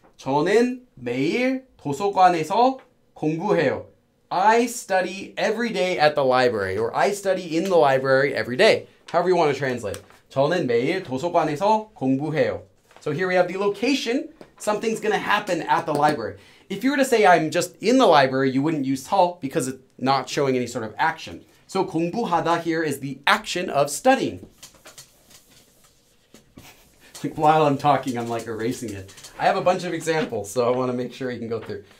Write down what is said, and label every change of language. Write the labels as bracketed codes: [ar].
[ko] 저는 매일 도서관에서 공부해요. [en] I study every day at the library, or I study in the library every day. However you want to translate. [ko] 저는 매일 도서관에서 공부해요. [en] So here we have the location. Something's going to happen at the library. If you were to say I'm just in the library, you wouldn't use 서 because it's not showing any sort of action. So 공부하다 here is the action of studying. While I'm talking, I'm like erasing it. I have a bunch of examples, so I want to make sure you can go through.